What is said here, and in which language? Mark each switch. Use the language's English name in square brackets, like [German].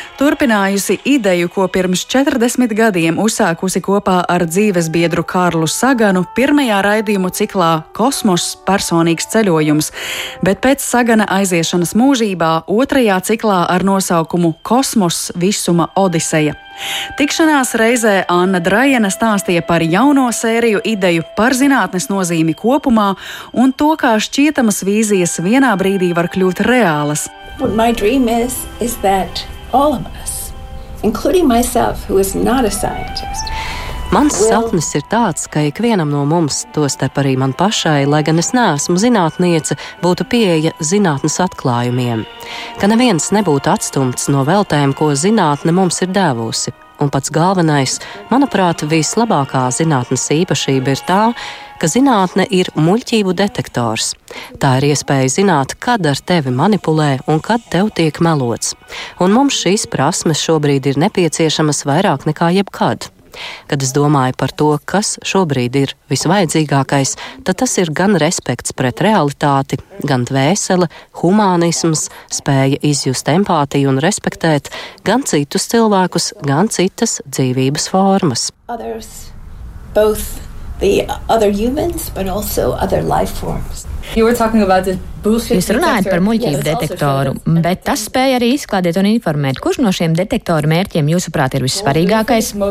[Latvian] turpinājusi ideju, ko pirms 40 gadiem uzsākusi kopā ar dzīvesbiedru Kārlu Saganu pirmajā raidījumu ciklā Kosmos personīgs ceļojums, bet pēc Sagana aiziešanas mūžībā otrajā ciklā ar nosaukumu Kosmos visuma odiseja. Tikšanās reizē Anna Drajena stāstīja par jauno sēriju ideju par zinātnes nozīmi kopumā un to, kā šķietamas vīzijas vienā brīdī var kļūt reālas. [English] What my dream is that all of us, including myself, who is not a scientist, [Latvian] Mans sapnis ir tāds, ka ikvienam no mums, tostarp arī man pašai, lai gan es neesmu zinātniece, būtu pieeja zinātnes atklājumiem. Ka neviens nebūtu atstumts no veltēm, ko zinātne mums ir devusi. Un pats galvenais, manuprāt, vislabākā zinātnes īpašība ir tā, ka zinātne ir muļķību detektors. Tā ir iespēja zināt, kad ar tevi manipulē un kad tev tiek melots. Un mums šīs prasmes šobrīd ir nepieciešamas vairāk nekā jebkad. Kad es domāju par to, kas šobrīd ir visvajadzīgākais, tad tas ir gan respekts pret realitāti, gan dvēsele, humānisms, spēja izjust empātiju un respektēt gan citus cilvēkus, gan citas dzīvības formas. [English] Others, both the other humans, but also other life forms. [Latvian] Jūs runājat par muļķību detektoru, bet tas spēja arī izklādēt un informēt, kurš no šiem detektoru mērķiem jūsuprāt ir vissvarīgākais?